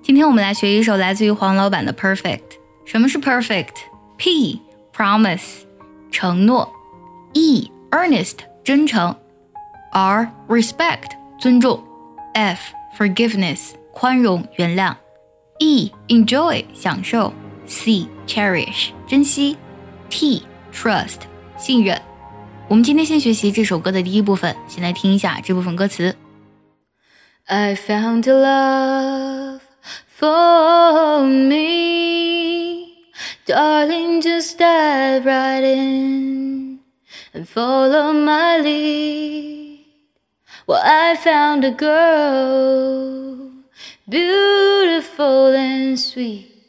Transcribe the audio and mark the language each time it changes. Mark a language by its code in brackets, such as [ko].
[zh] 今天我们来学一首来自于黄老板的 Perfect。什么是 Perfect？ P Promise 承诺， E Earnest 真诚， R Respect 尊重， F Forgiveness 宽容原谅， E Enjoy 享受， C Cherish 珍惜， T Trust 信任。我们今天先学习这首歌的第一部分，先来听一下这部分歌词。 [en] I found a love for me, darling, just dive right in and follow my lead. Well, I found a girl beautiful and sweet.